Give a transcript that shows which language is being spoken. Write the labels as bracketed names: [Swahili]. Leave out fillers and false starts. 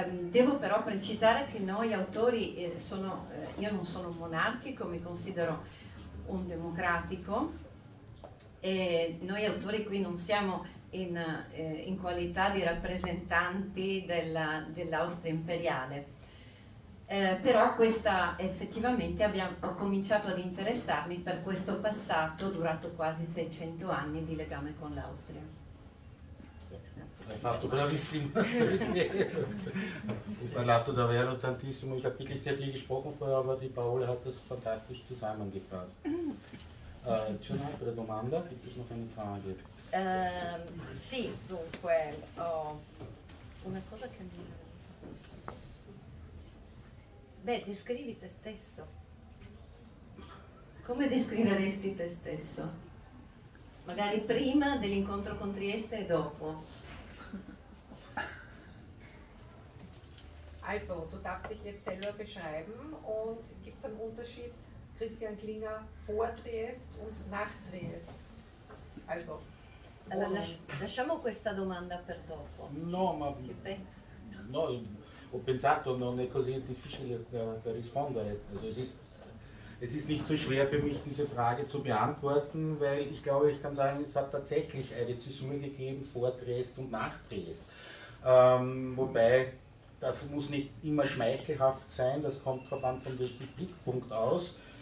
[Italian] Devo però precisare che noi autori, io non sono monarchico, mi considero un democratico, e noi autori qui non siamo in qualità di rappresentanti dell'Austria imperiale. Però questa effettivamente ho cominciato ad interessarmi per questo passato durato quasi 600 anni di legame con l'Austria. Hai fatto bravissimo. Hai parlato davvero tantissimo, [German] ich habe wirklich sehr viel gesprochen vorher, aber die Paola hat das fantastisch zusammengefasst. [Italian] C'è un'altra domanda? Ci sono delle domande? Sì, dunque, una cosa che mi... Beh, descrivi te stesso. Come descriveresti te stesso? Magari prima dell'incontro con Trieste e dopo. [German] Also, du darfst dich jetzt selber beschreiben und gibt es einen Unterschied Christian Klinger vor Triest und nach Triest? Also, [Italian] allora, lasciamo questa domanda per dopo. No, ma ci pensi? No, ho pensato, non è così difficile da rispondere. [German] Also, es ist nicht so schwer für mich, diese Frage zu beantworten, weil ich glaube, ich kann sagen, es hat tatsächlich eine Zäsur gegeben vor Triest und nach Triest. Wobei, das muss nicht immer schmeichelhaft sein, das kommt darauf an, von welchem Blickpunkt aus.